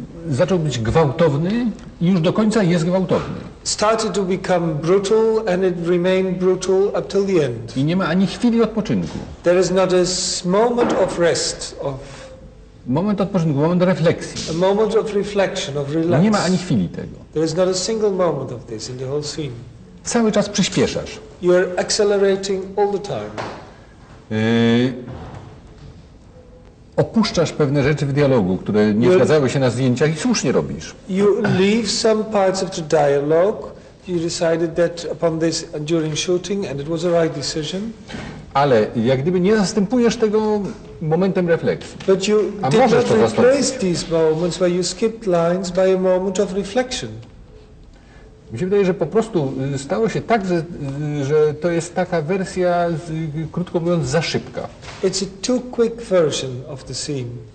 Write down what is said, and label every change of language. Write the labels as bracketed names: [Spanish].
[Polish] Zaczął być gwałtowny i już do końca jest gwałtowny. [English] Started to become brutal and it remained brutal up till the end. [Polish] I nie ma ani chwili odpoczynku. [English] There is not a moment of rest of. [Polish] Moment odpoczynku, moment refleksji. [English] A moment of reflection, of relax. [Polish] Nie ma ani chwili tego. [English] There is not a single moment of this in the whole scene. [Polish] Cały czas przyspieszasz. [English] You are accelerating all the time. [Polish] Opuszczasz pewne rzeczy w dialogu, które nie zgadzały się na zdjęciach i słusznie robisz. [English] You leave some parts of the dialogue. You decided that upon this during shooting and it was a right decision. [Polish] Ale jak gdyby nie zastępujesz tego momentem refleksji. [English] But you did not replace these moments where you skipped lines by a moment of reflection. [Polish] Mi się wydaje, że po prostu stało się tak, że to jest taka wersja, krótko mówiąc, za szybka. [English] It's a too quick version of the scene.